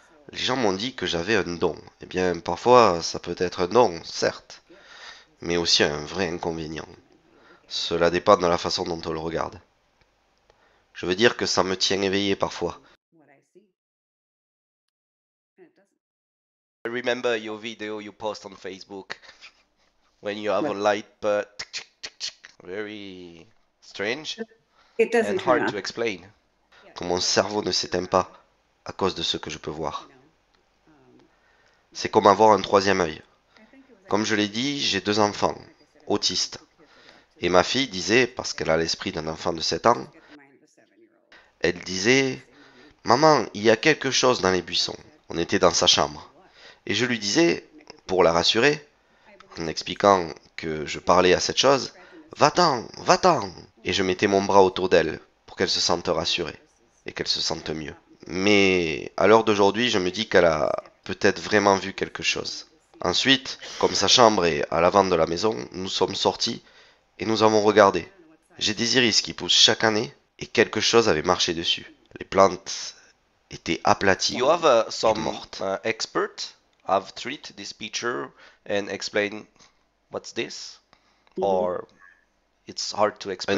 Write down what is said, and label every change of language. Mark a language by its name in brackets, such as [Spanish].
[French] Les gens m'ont dit que j'avais un don. Eh bien, parfois, ça peut être un don, certes, mais aussi un vrai inconvénient. Cela dépend de la façon dont on le regarde. Je veux dire que ça me tient éveillé parfois. [English] I remember your video you post on Facebook when you have a light, but very strange and hard to explain. [French] Que mon cerveau ne s'éteint pas à cause de ce que je peux voir. C'est comme avoir un troisième œil. Comme je l'ai dit, j'ai deux enfants, autistes. Et ma fille disait, parce qu'elle a l'esprit d'un enfant de 7 ans, elle disait « Maman, il y a quelque chose dans les buissons. » On était dans sa chambre. Et je lui disais, pour la rassurer, en expliquant que je parlais à cette chose, « Va-t'en, va-t'en !» Et je mettais mon bras autour d'elle pour pour qu'elle se sente rassurée et qu'elle se sente mieux. Mais à l'heure d'aujourd'hui, je me dis qu'elle a peut-être vraiment vu quelque chose. Ensuite, comme sa chambre est à l'avant de la maison, nous sommes sortis et nous avons regardé. J'ai des iris qui poussent chaque année et quelque chose avait marché dessus. Les plantes étaient aplaties et mortes. [English] You have some expert have treated this picture and explain what's this or it's hard to explain.